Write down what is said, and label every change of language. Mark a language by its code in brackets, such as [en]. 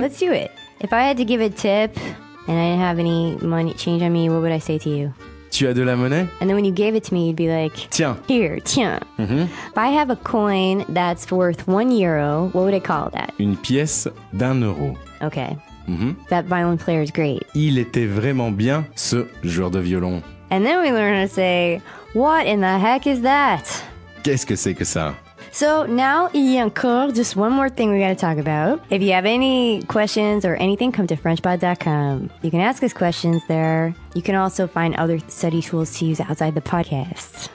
[en] Let's do it. If I had to give a tip... And I didn't have any money change on me, what would I say to you? [fr] Tu as de la monnaie? [en] And then when you gave it to me, you'd be like, [fr] tiens. [en] Here, [fr] tiens. Mm-hmm. [en] If I have a coin that's worth 1 euro, what would I call that? [fr] Une pièce d'un euro. [en] Okay. Mm-hmm. That violin player is great. [fr] Il était vraiment bien, ce joueur de violon. [en] And then we learn to say, what in the heck is that? [fr] Qu'est-ce que c'est que ça? [en] So now, [fr] il y a encore [en] just one more thing we got to talk about. If you have any questions or anything, come to FrenchPod.com. You can ask us questions there. You can also find other study tools to use outside the podcast.